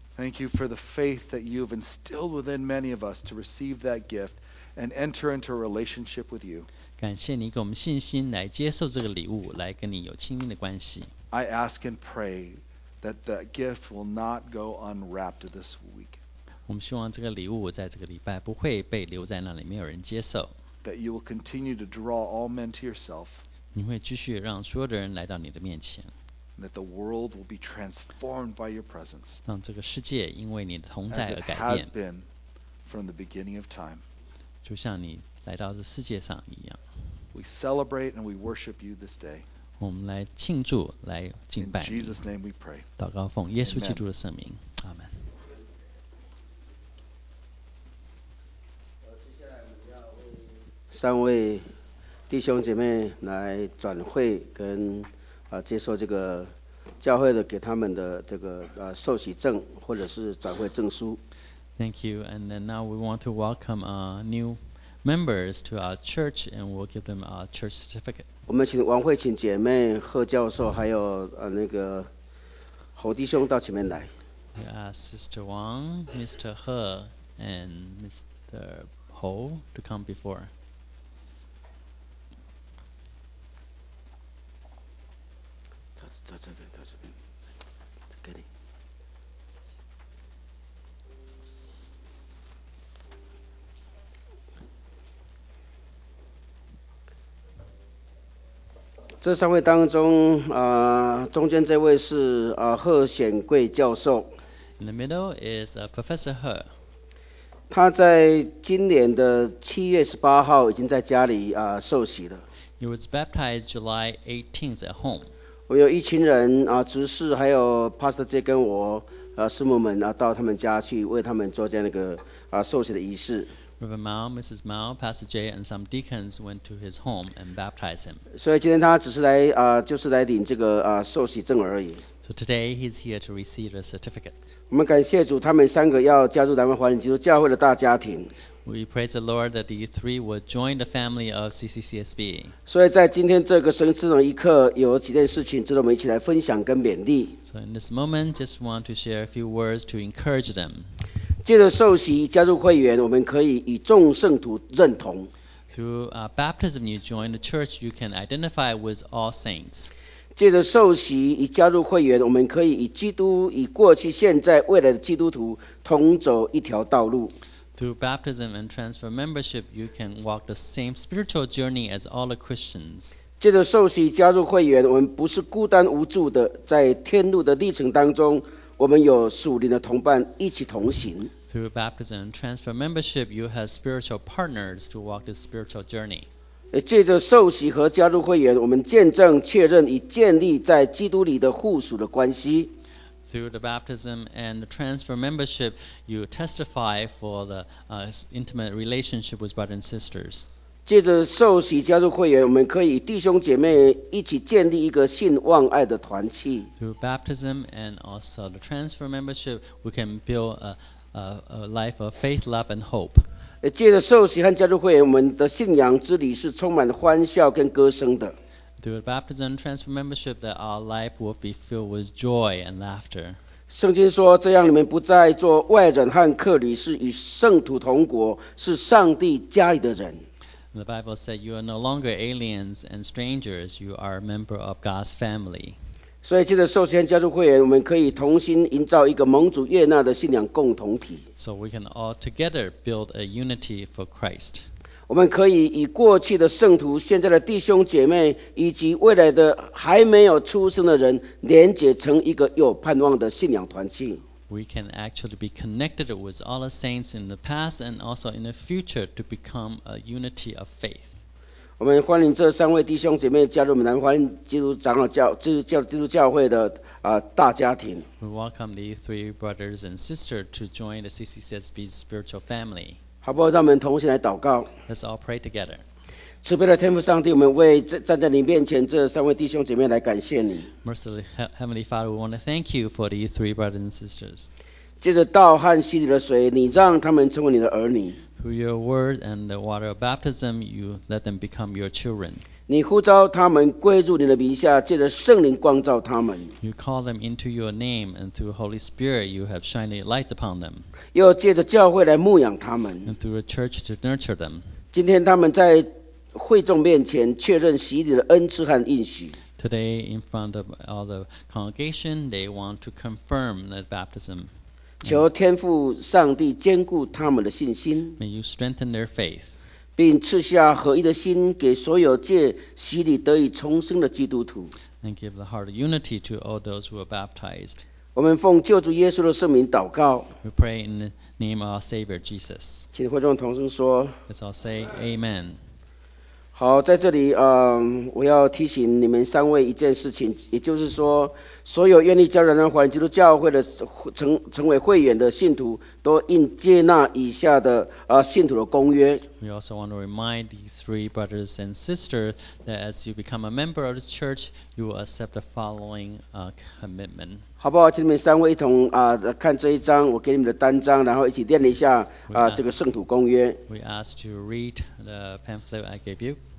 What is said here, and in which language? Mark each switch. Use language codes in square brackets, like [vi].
[en] Thank you for the faith that you've instilled within many of us to receive that gift. And enter into a relationship with you. [zh] 感谢你给我们信心来接受这个礼物，来跟你有亲密的关系。 [en] I ask and pray that the gift will not go unwrapped this week. [zh] 我们希望这个礼物在这个礼拜不会被留在那里，没有人接受。 [en] That you will continue to draw all men to yourself. [zh] 你会继续让所有的人来到你的面前。 [en] That the world will be transformed by your presence. [zh] 让这个世界因为你的同在而改变。 [en] As it has been from the beginning of time. [zh] 就像你来到这世界上一样。 [en] We celebrate and we worship you this day. [zh] 我们来庆祝，来敬拜你。 [en] In Jesus' name we pray. [zh] 祷告奉耶稣基督的圣名，阿门。三位弟兄姐妹来转会跟接受这个教会的给他们的这个受洗证或者是转会证书。 [en] Thank you. And then now we want to welcome new members to our church, and we'll give them our church certificate. [zh] 我们请王慧琴姐妹、贺教授还有那个侯弟兄到前面来。 [en] We ask Sister Wang, Mr. He, and Mr. Ho to come before. [zh] 这三位当中，中间这位是贺显贵教授。 [en] In the middle is Professor He. [zh] 他在今年的七月十八号已经在家里受洗了。 [en] He was baptized July 18th at home. [zh] 我有一群人执事还有 Pastor J 跟我师母们到他们家去为他们做这样的一个受洗的仪式。 [en] Reverend Mao, Mrs. Mao, Pastor Jay, and some deacons went to his home and baptized him. [zh] 所以今天他只是来啊，就是来领这个啊受洗证而已。 [en] So today he's here to receive a certificate. [zh] 我们感谢主，他们三个要加入南湾华人基督教会的大家庭。 [en] We praise the Lord that the three would join the family of CCCSB. [zh] 所以在今天这个神赐的一刻，有几件事情值得我们一起来分享跟勉励。 [en] So in this moment, just want to share a few words to encourage them. [zh] 借着受洗加入会员，我们可以与众圣徒认同。 [en] Through baptism, you join the church. You can identify with all saints. [zh] 借着受洗与加入会员，我们可以与基督、与过去、现在、未来的基督徒同走一条道路。 [en] Through baptism and transfer membership, you can walk the same spiritual journey as all the Christians. [zh] 借着受洗加入会员，我们不是孤单无助的，在天路的历程当中。我们有属灵的同伴一起同行。 [en] Through baptism and transfer membership, you have spiritual partners to walk this spiritual journey. [zh] 借着受洗和加入会员，我们见证、确认与建立在基督里的互属的关系。 [en] Through the baptism and the transfer membership, you testify for the intimate relationship with brothers and sisters. [zh] 借着受洗加入会员，我们可以弟兄姐妹一起建立一个信望爱的团契。 [en] Through baptism and also the transfer membership, we can build a life of faith, love, and hope. [zh] 借着受洗和加入会员，我们的信仰之旅是充满欢笑跟歌声的。 [en] Through baptism and transfer membership, that our life will be filled with joy and laughter. [zh] 圣经说，这样你们不再做外人和客旅，是与圣徒同国，是上帝家里的人。 [en] The Bible said you are no longer aliens and strangers, you are a member of God's family. [zh] 所以借着受洗加入会员，我们可以同心营造一个蒙主悦纳的信仰共同体。 [en] So we can all together build a unity for Christ. [zh] 我们可以与过去的圣徒、现在的弟兄姐妹以及未来的还没有出生的人连结成一个有盼望的信仰团契。 [en] We can actually be connected with all the saints in the past and also in the future to become a unity of faith. [zh] 我们欢迎这三位弟兄姐妹加入我们南环基督长老教、基督教会的大家庭。 [en] We welcome the three brothers and sisters to join the CCCSB spiritual family. [zh] 好不好？让我们同心来祷告。 [en] Let's all pray together. [zh] 慈悲的天父上帝，我们为站在你面前这三位弟兄姐妹来感谢你。 [en] Merciful Heavenly Father, we want to thank you for these three brothers and sisters. [zh] 借着道和洗礼的水，你让他们成为你的儿女。 [en] Through your word and the water of baptism, you let them become your children. [zh] 你呼召他们归入你的名下，借着圣灵光照他们。 [en] You call them into your name, and through Holy Spirit, you have shined a light upon them. [zh] 又借着教会来牧养他们。 [en] And through a church to nurture them. [zh] 今天他们在会众面前确认洗礼的恩赐和应许。 [en] Today, in front of all the congregation, they want to confirm the baptism. [zh] 求天父上帝坚固他们的信心。 [en] May you strengthen their faith. [zh] 并赐下合一的心给所有借洗礼得以重生的基督徒。 [en] And give the heart of unity to all those who are baptized. [zh] 我们奉救主耶稣的圣名祷告。 [en] We pray in the name of our Savior Jesus. [zh] 请会众同声说。 [en] Let's all say Amen. [zh] 好，在这里，我要提醒你们三位一件事情，也就是说，所有愿意加入南湾华人基督教会的成为会员的信徒，都应接纳以下的信徒的公约。 [en] We also want to remind these three brothers and sisters that as you become a member of this church, you will accept the following commitment. [zh] 好不好？请你们三位一同看这一章，我给你们的单章，然后一起念一下这个圣徒公约。 [en] We ask to read the pamphlet I gave you.